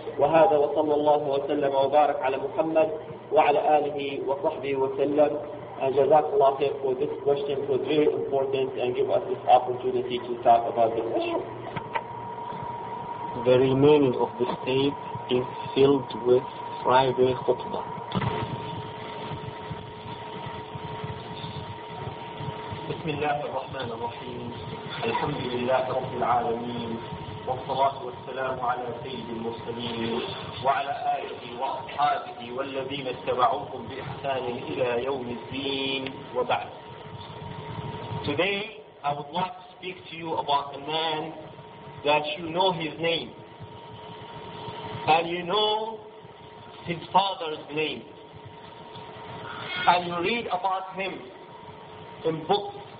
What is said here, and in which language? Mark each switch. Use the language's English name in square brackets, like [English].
[Arabic] وَهَذَا وَصَلَّ اللَّهُ وَسَلَّمَ وَبَارَكَ عَلَى مُحَمَّدٍ وَعَلَى آلِهِ وَصَحْبِهِ وَسَلَّمْ. [English] And JazakAllah khair for this question, for it's very important and give us this opportunity to talk about this issue. The remaining of this tape is filled with Friday khutbah. [Arabic] بسم الله الرحمن الرحيم الحمد لله رب العالمين والصلاة والسلام على سيد المرسلين وعلى آله وأصحابه والذين اتبعوكم بإحسان إلى يوم الدين وبعد. [English] Today I would like to speak to you about a man that you know his name and you know his father's name and you read about him in books.